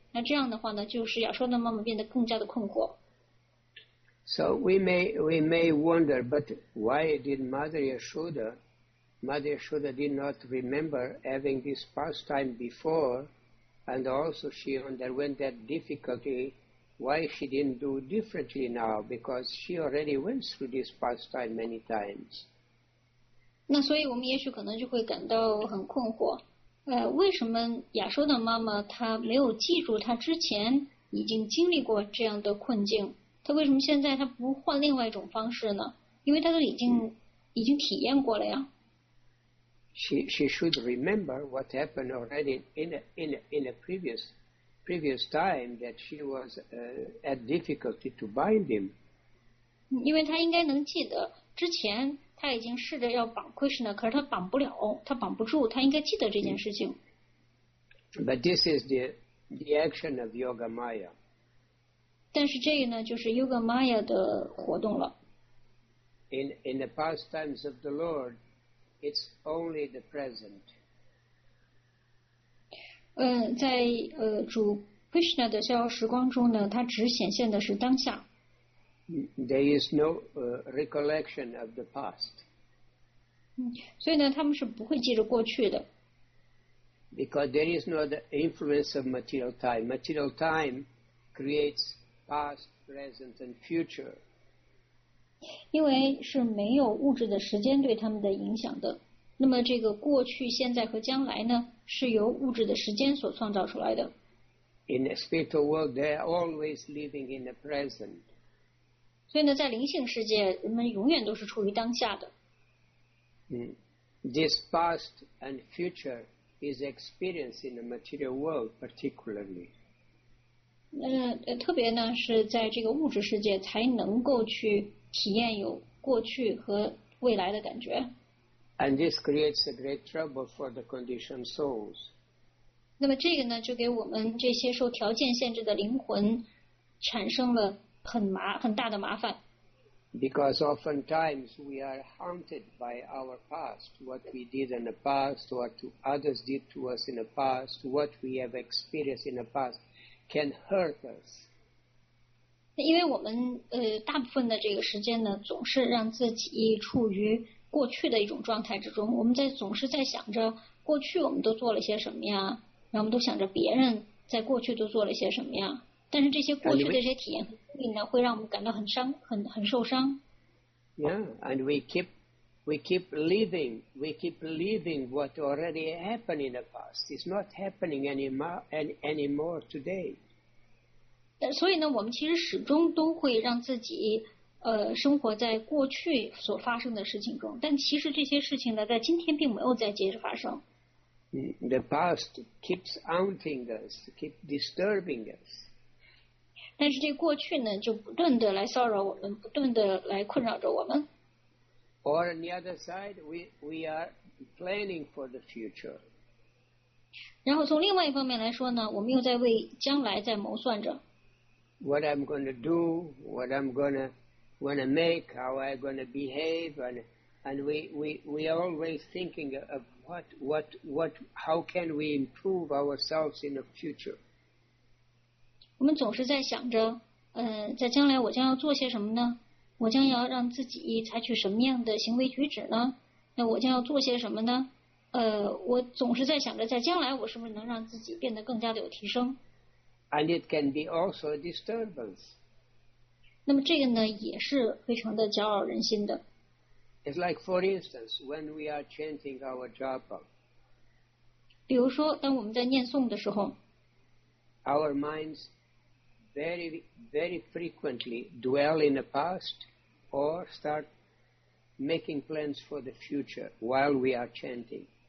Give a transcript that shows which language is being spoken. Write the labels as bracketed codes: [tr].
[zh] 那这样的话呢，就是亚瑟的妈妈变得更加的困惑。 [en] So we may wonder, but why did Mother Yashoda did not remember having this pastime before, and also she underwent that difficulty, why she didn't do differently now, because she already went through this pastime many times. [zh] 那所以我们也许可能就会感到很困惑，为什么亚瑟的妈妈她没有记住她之前已经经历过这样的困境？他为什么现在他不换另外一种方式呢？因为他都已经体验过了呀。 [en] She should remember what happened already in a previous time that she was at difficulty to bind him. [zh] 因为他应该能记得之前他已经试着要绑 Krishna， 可是他绑不了，他绑不住，他应该记得这件事情。 [en] But this is the action of Yoga Maya. [zh] 但是这个呢，就是 Yoga Maya 的活动了。 [en] In the pastimes of the Lord, it's only the present. [zh] 在主 Krishna 的逍遥时光中呢，它只显现的是当下。 [en] There is no recollection of the past. [zh] 所以呢，他们是不会记着过去的。 [en] Because there is no the influence of material time. Material time creates. Past, present, and future. [zh] 因为是没有物质的时间对他们的影响的，那么这个过去、现在和将来呢，是由物质的时间所创造出来的。 [en] In the spiritual world, they are always living in the present. [zh] 所以呢，在灵性世界，人们永远都是处于当下的。 [en] This past and future is experienced in the material world, particularly. [zh] 特别呢是在这个物质世界才能够去体验有过去和未来的感觉。 [en] And this creates a great trouble for the conditioned souls. [zh] 那么这个呢就给我们这些受条件限制的灵魂产生了很大的麻烦。 [en] Because oftentimes we are haunted by our past, what we did in the past, what others did to us in the past, what we have experienced in the past. Can hurt us. [zh] 因为我们大部分的这个时间呢，总是让自己处于过去的一种状态之中。我们在总是在想着过去我们都做了些什么呀，然后我们都想着别人在过去都做了些什么呀。但是这些过去的这些体验呢， [en] and we, [zh] 会让我们感到很受伤。 [en] Yeah, and we keep living what already happened in the past. It's not happening anymore today. [zh] 所以呢，我们其实始终都会让自己生活在过去所发生的事情中，但其实这些事情呢，在今天并没有再接着发生。 [en] The past keeps haunting us, keep disturbing us. [zh] 但是这过去呢，就不断的来骚扰我们，不断的来困扰着我们。 [en] Or on the other side, we are planning for the future. [zh] 然后从另外一方面来说呢，我们又在为将来在谋算着。 [en] What I'm going to do, what I'm going to make, how I'm going to behave, and we are always thinking of what, how can we improve ourselves in the future. [zh] 我们总是在想着，在将来我将要做些什么呢？我将要让自己采取什么样的行为举止呢？那我将要做些什么呢？我总是在想着，在将来我是不是能让自己变得更加的有提升？ [en] And it can be also a disturbance. [zh] 那么这个呢也是非常的搅扰人心的。 [en] It's like, for instance, when we are chanting our japa. [zh] 比如说当我们在念诵的时候。 [en] Our minds very, very frequently dwell in the past or start making plans for the future while we are chanting.